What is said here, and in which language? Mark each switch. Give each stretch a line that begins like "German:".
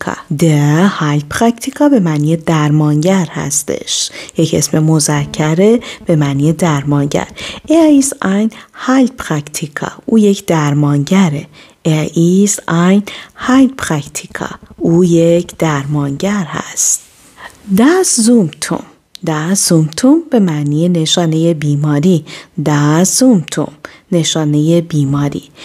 Persian: der Heilpraktiker به معنی درمانگر هستش. یک اسم مذکر به معنی درمانگر.
German: er ist ein Heilpraktiker.
Persian: او یک درمانگره.
German: er ist ein Heilpraktiker.
Persian: او یک درمانگر هست. das Symptom به معنی نشانه بیماری. das Symptom نشانه بیماری.